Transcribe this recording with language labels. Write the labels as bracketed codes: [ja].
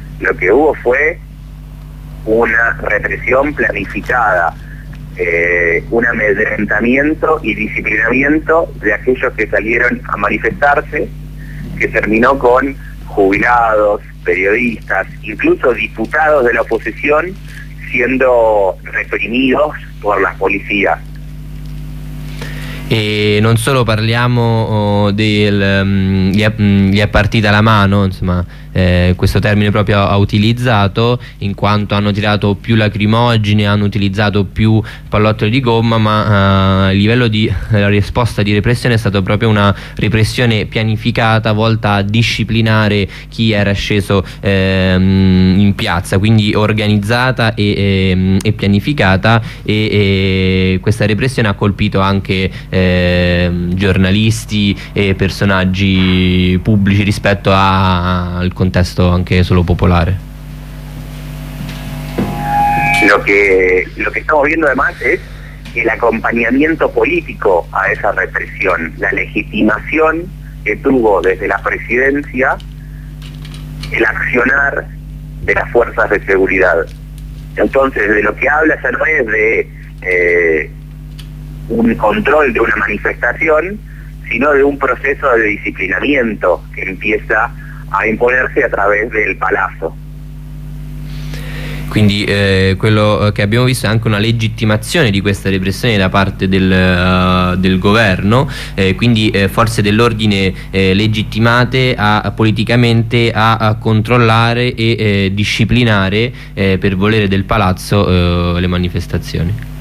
[es] Lo que hubo fue una represión planificada, un amedrentamiento y disciplinamiento de aquellos que salieron a manifestarse, que terminó con jubilados, periodistas, incluso diputados de la oposición siendo reprimidos [it] per la polizia. E non solo parliamo gli è partita la mano, insomma, questo termine proprio ha utilizzato, in quanto hanno tirato più lacrimogene, hanno utilizzato più pallottole di gomma, ma il livello di la risposta di repressione è stata proprio una repressione pianificata, volta a disciplinare chi era sceso in piazza, quindi organizzata e pianificata, e questa repressione ha colpito anche giornalisti e personaggi pubblici rispetto al contesto anche solo popolare. [es] Lo que estamos viendo además es el acompañamiento político a esa represión, la legitimación que tuvo desde la presidencia el accionar de las fuerzas de seguridad. Entonces, de lo que habla ya no es de un control de una manifestación, sino de un proceso de disciplinamiento que empieza a imponerse a través del palazo. [it] Quindi quello che abbiamo visto è anche una legittimazione di questa repressione da parte del governo, quindi forze dell'ordine legittimate politicamente a controllare e disciplinare per volere del palazzo le manifestazioni.